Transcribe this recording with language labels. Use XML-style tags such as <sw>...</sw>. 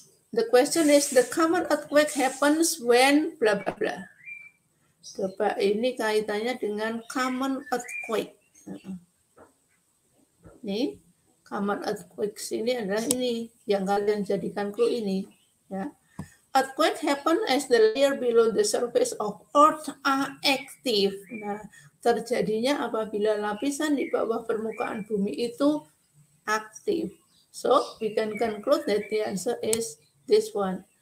<en>The question is, the common earthquake happens when blah blah blah.</en> <id>Coba ini kaitannya dengan common earthquake. Ini common earthquake ini adalah ini yang kalian jadikan clue ini. Ya.</id> <en>Earthquake happen as the layer below the surface of earth are active.</en> <id>Nah, terjadinya apabila lapisan di bawah permukaan bumi itu aktif.</id> <en>So, we can conclude that the answer is this one.</en>